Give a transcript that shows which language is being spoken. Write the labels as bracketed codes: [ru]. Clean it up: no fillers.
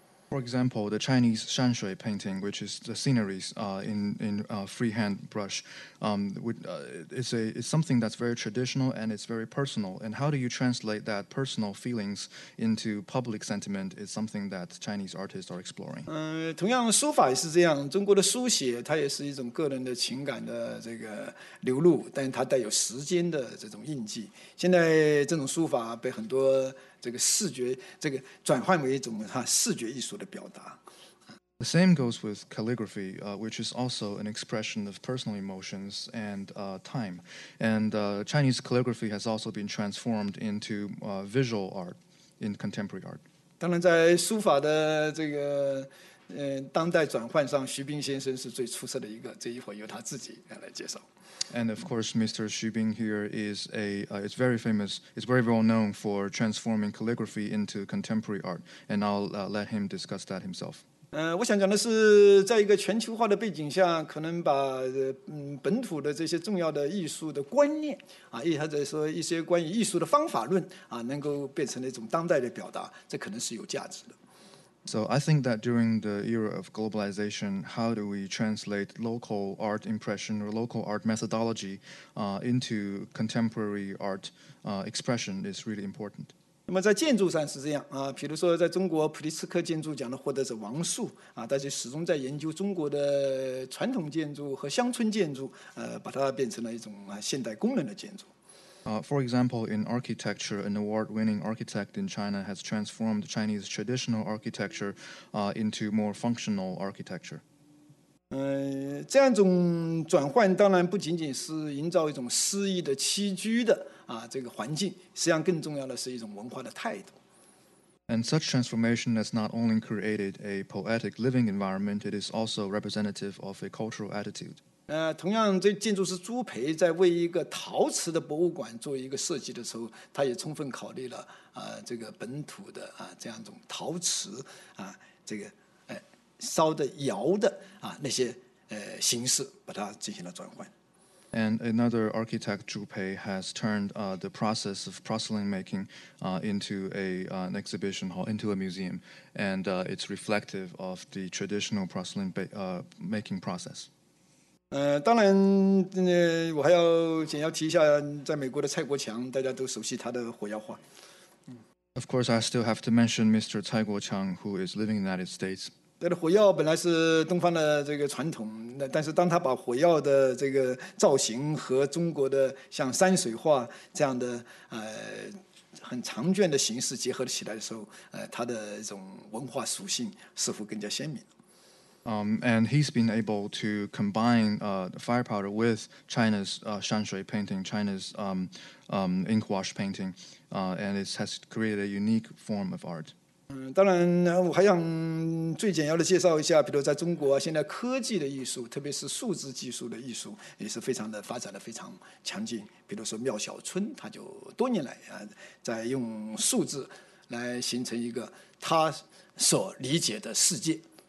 [en] For example, the Chinese 山水 painting, which is the sceneries in freehand brush, is something that's very traditional and it's very personal. And how do you translate that personal feelings into public sentiment is something that Chinese artists are exploring. [zh] 同样书法也是这样，中国的书写它也是一种个人的情感的这个流露，但它带有时间的这种印记。现在这种书法被很多这个视觉，这个转换为一种视觉艺术的表达。 [en] The same goes with calligraphy, which is also an expression of personal emotions and time. And Chinese calligraphy has also been transformed into visual art in contemporary art. [zh] 当然，在书法的这个当代转换上，徐冰先生是最出色的一个，这一会由他自己来介绍。 [en] And of course, Mr. Xu Bing here is is very famous, is very well known for transforming calligraphy into contemporary art. And I'll let him discuss that himself. [zh] 我想讲的是，在一个全球化的背景下，可能把本土的这些重要的艺术的观念或者说一些关于艺术的方法论能够变成一种当代的表达，这可能是有价值的。 [en] So I think that during the era of globalization, how do we translate local art impression or local art methodology into contemporary art expression is really important. [zh] 那么在建筑上是这样比如说在中国普利茨克建筑奖的获得者王树大家始终在研究中国的传统建筑和乡村建筑把它变成了一种现代功能的建筑。 [en] For example, in architecture, an award-winning architect in China has transformed Chinese traditional architecture into more functional architecture. [zh] 这样一种转换当然不仅仅是营造一种诗意的栖居的这个环境，实际上更重要的是一种文化的态度。 [en] And such transformation has not only created a poetic living environment, it is also representative of a cultural attitude. [zh] 同样这建筑师朱培在为一个陶瓷的博物馆做一个设计的时候他也充分考虑了这个本土的这样一种陶瓷这个烧的窑的那些形式把它进行了转换。 [en] And another architect, Zhu Pei, has turned the process of porcelain making into an exhibition hall, into a museum, and it's reflective of the traditional porcelain making process. [zh] 当然我还要简要提一下在美国的蔡国强大家都熟悉他的火药画。 [en] Of course, I still have to mention Mr. 蔡国强 who is living in the United States. [zh] 但是火药本来是东方的这个传统，但是当他把火药的这个造型和中国的像山水画这样的很长卷的形式结合起来的时候，他的一种文化属性似乎更加鲜明。 [en] And he's been able to combine firepowder with China's shanshui painting, China's ink wash painting, and it has created a unique form of art. [zh] 当然我还想最简要的介绍一下，比如在中国现在科技的艺术，特别是数字技术的艺术，也是非常的发展的非常强劲。比如说妙小春，他就多年来在用数字来形成一个他所理解的世界。